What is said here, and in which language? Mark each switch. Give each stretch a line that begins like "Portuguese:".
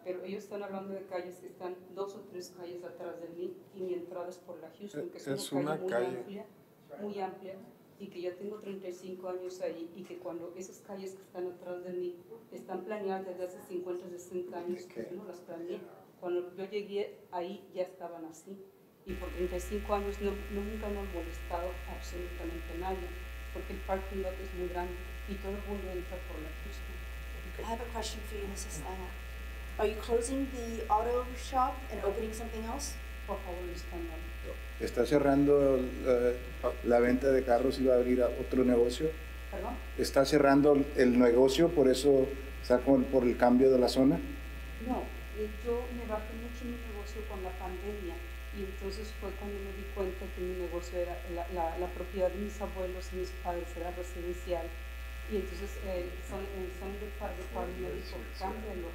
Spanish: Pero ellos están hablando de calles que están dos o tres calles atrás de mí y mi entrada es por la Houston, que es una calle muy amplia, y que ya tengo 35 años ahí, y que cuando esas calles que están atrás de mí están planeadas desde hace 50, 60 años, que yo no las planeé. Cuando yo llegué ahí ya estaban así. Y por 35 años nunca me han molestado absolutamente nadie, porque el parking lot es muy grande y todo el mundo entra por la Houston.
English: I have a question for you, Mrs. Stana. Are you closing the auto shop and opening something else?
Spanish: Por favor, respondan. ¿Está cerrando la venta de carros y va a abrir otro negocio? ¿Perdón? ¿Está cerrando el negocio, por eso está por el cambio de la zona? No, yo me bajé mucho mi negocio con la pandemia, y entonces fue cuando me di cuenta que mi negocio era, la propiedad de mis abuelos y mis padres era residencial, y entonces son de par de cuadro, me dijo, cámbialo.